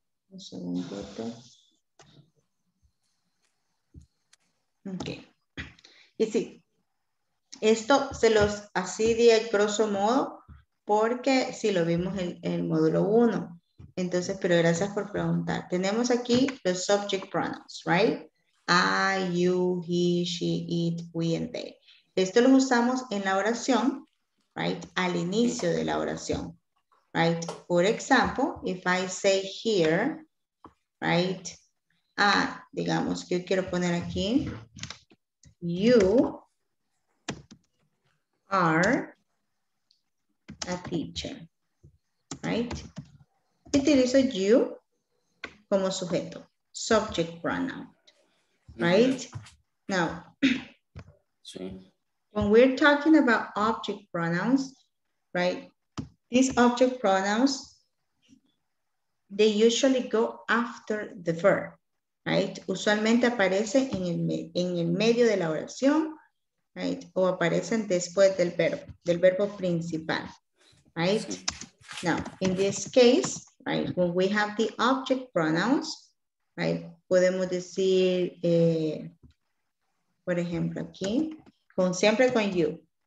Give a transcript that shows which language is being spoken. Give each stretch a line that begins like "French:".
Spanish: Un segundito. Ok. Y sí, esto se los así di el grosso modo, porque sí lo vimos en el módulo 1. Entonces, pero gracias por preguntar. Tenemos aquí los
English: subject pronouns,
Spanish: right?
English: I, you, he, she, it, we, and they.
Spanish: Esto lo usamos en la oración, right? Al inicio de la oración, right?
English: For example, if I say here, right?
Spanish: Digamos que yo quiero poner aquí,
English: you are a teacher,
Spanish: right? Utilizo you como sujeto, subject pronoun. Right?
English: Now, when we're talking about object pronouns, right? These object pronouns, they usually go after the verb, right?
Spanish: Usualmente aparecen en el medio de la oración, right? O aparecen después del verbo principal, right?
English: Now, in this case, right? When we have the object pronouns, right?
Spanish: Podemos decir, por ejemplo, aquí, siempre con you.